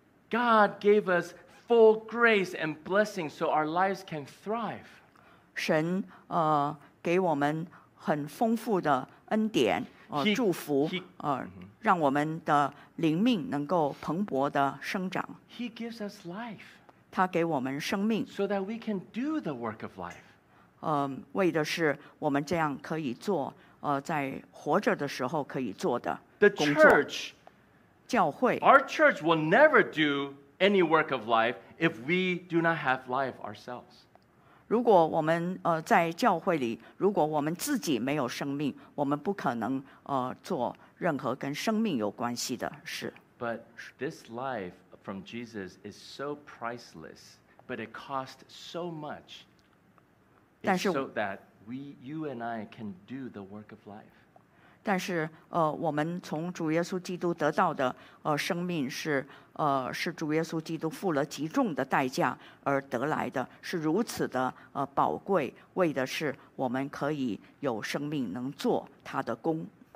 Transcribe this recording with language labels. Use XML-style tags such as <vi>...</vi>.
<en>God gave us full grace and blessing so our lives can thrive.</en> <zh>神, 给我们很丰富的恩典, 祝福, He, 让我们的灵命能够蓬勃地生长。</zh> <en>He gives us life.</en> <zh>他给我们生命。</zh> <en>So that we can do the work of life.</en> <zh>为的是我们这样可以做, 在活着的时候可以做的工作。</zh> <en>The church,</en> <zh>教会,</zh> <en>our church will never do any work of life if we do not have life ourselves.</en> <zh>如果我们, 在教会里, 如果我们自己没有生命, 我们不可能, 做任何跟生命有关系的事。</zh> <en>But this life from Jesus is so priceless, but it costs so much.</en> <zh>但是,</zh> <en>so that we, you and I can do the work of life.</en> <zh>但是, 我们从主耶稣基督得到的, 生命是, 是主耶稣基督付了极重的代价而得来的, 是如此的, 宝贵, 为的是我们可以有生命能做他的工。</zh>